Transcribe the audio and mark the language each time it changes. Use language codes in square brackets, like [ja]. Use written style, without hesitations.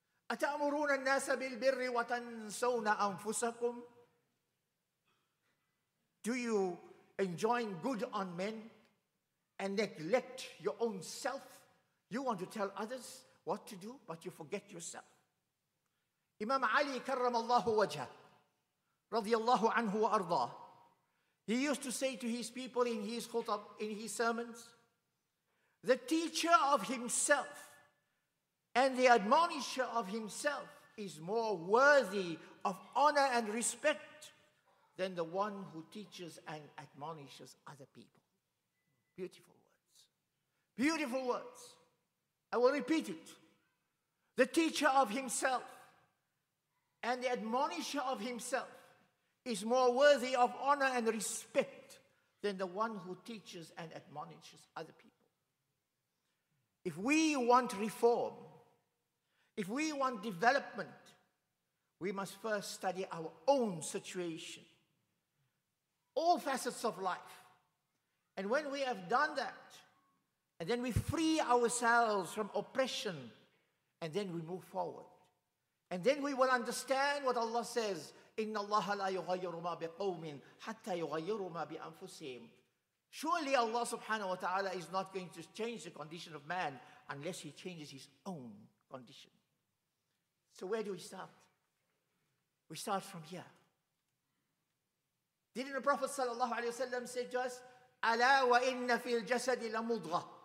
[ar] أتأمرون الناس بالبر وتنسون أنفسكم? [en] Do you enjoin good on men and neglect your own self? You want to tell others what to do, but you forget yourself. Imam Ali [ar] كرم الله وجهه رضي الله عنه وأرضاه. [en] He used to say to his people in his khutab, in his sermons, the teacher of himself and the admonisher of himself is more worthy of honor and respect than the one who teaches and admonishes other people. Beautiful words. Beautiful words. I will repeat it. The teacher of himself and the admonisher of himself is more worthy of honor and respect than the one who teaches and admonishes other people. If we want reform, if we want development, we must first study our own situation, all facets of life. And when we have done that, and then we free ourselves from oppression, and then we move forward. And then we will understand what Allah says, [ar] إِنَّ اللَّهَ لَا يُغَيِّرُ مَا بِقَوْمٍ حَتَّى يُغَيِّرُ مَا بِأَنفُسِهِمْ. [en] Surely Allah subhanahu wa ta'ala is not going to change the condition of man unless he changes his own condition. So where do we start? We start from here. Didn't the Prophet [ar] sallallahu alaihi wasallam [en] say to us, [ar] "Ala wa inna fil jasad la mudghah."